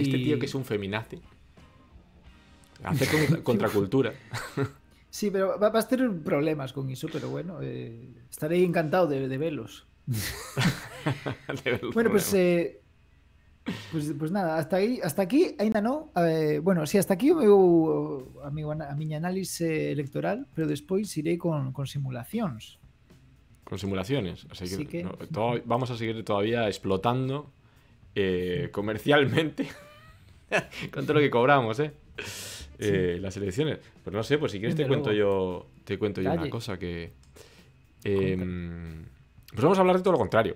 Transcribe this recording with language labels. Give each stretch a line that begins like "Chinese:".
Spanish: Este tío que es un feminazi. Hace contracultura. Sí, pero vas a tener problemas con eso, pero bueno, estaré encantado de verlos. Bueno, pues... Pues nada, hasta aquí
Galician: ainda no. Bueno, sí,
Spanish: hasta aquí
Galician: a miña análise electoral, pero despois irei con simulacións.
Spanish: Con simulaciones, así que... No, todo, vamos a seguir todavía explotando comercialmente con todo lo que cobramos, sí. Las elecciones. Pero no sé, pues si quieres te cuento yo una cosa que pues vamos a hablar de todo lo contrario.